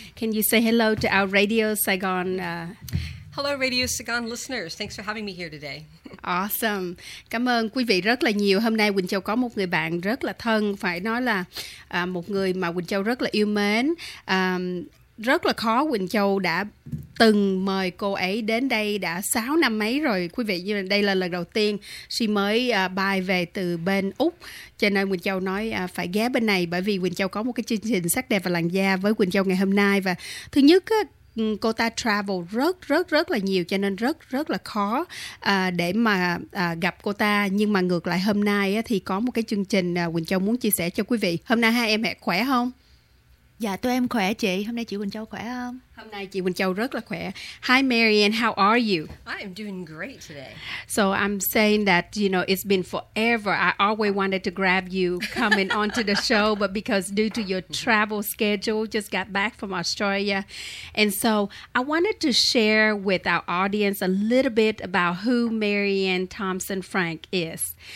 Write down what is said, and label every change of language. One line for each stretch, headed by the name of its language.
English: Can you say hello to our Radio Saigon? Hello Radio Saigon listeners. Thanks for having me here today. Awesome.
Vietnamese: Cảm ơn quý vị rất là nhiều. Hôm nay Quỳnh Châu có một người bạn rất là thân, phải nói là một người mà Quỳnh Châu rất là yêu mến. Rất là khó, Quỳnh Châu đã từng mời cô ấy đến đây đã 6 năm mấy rồi quý vị, như đây là lần đầu tiên she mới bay về từ bên Úc, cho nên Quỳnh Châu nói phải ghé bên này bởi vì Quỳnh Châu có một cái chương trình sắc đẹp và làn da với Quỳnh Châu ngày hôm nay. Và thứ nhất cô ta travel rất là nhiều cho nên rất là khó để mà gặp cô ta, nhưng mà ngược lại hôm nay thì có một cái chương trình Quỳnh Châu muốn chia sẻ cho quý vị. Hôm nay hai em hẹn khỏe không? Dạ, tụi em khỏe chị. Hôm nay chị Quỳnh Châu khỏe không? Hôm nay chị Quỳnh Châu rất là khỏe.
English: Hi Marian, how are you? I am doing great today. So I'm saying that, you know, it's been forever. I always wanted to grab you coming onto the show, but because due to your travel schedule, just got back from Australia. And so I wanted to share with our audience a little bit about who Marian Thompson Frank is.